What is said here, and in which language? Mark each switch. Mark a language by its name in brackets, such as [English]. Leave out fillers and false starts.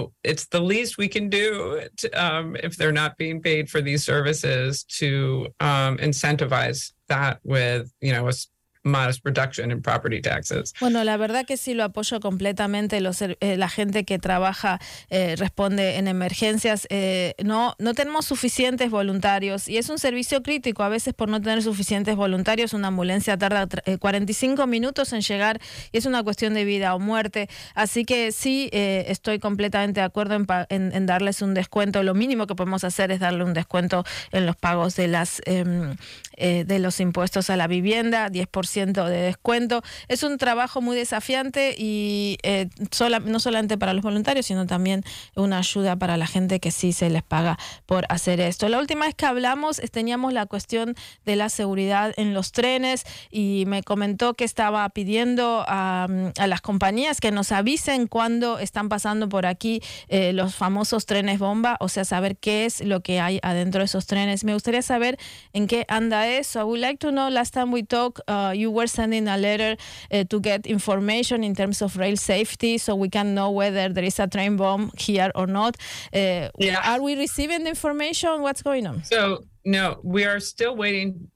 [English] It's the least we can do if they're not being paid for these services to incentivize that with, a modest reduction in property taxes. [Spanish] Bueno, la verdad que sí lo apoyo completamente. La gente que trabaja responde en emergencias. No tenemos suficientes voluntarios y es un servicio crítico. A veces por no tener suficientes voluntarios, una ambulancia tarda 45 minutos en llegar y es una cuestión de vida o muerte. Así que sí, estoy completamente de acuerdo en darles un descuento. Lo mínimo que podemos hacer es darle un descuento en los pagos de las de los impuestos a la vivienda, 10% de descuento. Es un trabajo muy desafiante y no solamente para los voluntarios, sino también una ayuda para la gente que sí se les paga por hacer esto. La última vez que hablamos teníamos la cuestión de la seguridad en los trenes y me comentó que estaba pidiendo a las compañías que nos avisen cuando están pasando por aquí los famosos trenes bomba, o sea, saber qué es lo que hay adentro de esos trenes. Me gustaría saber en qué anda eso. [English] I would like to know, last time we talked, you were sending a letter to get information in terms of rail safety so we can know whether there is a train bomb here or not. Are we receiving the information? What's going on? So, no, we are still waiting.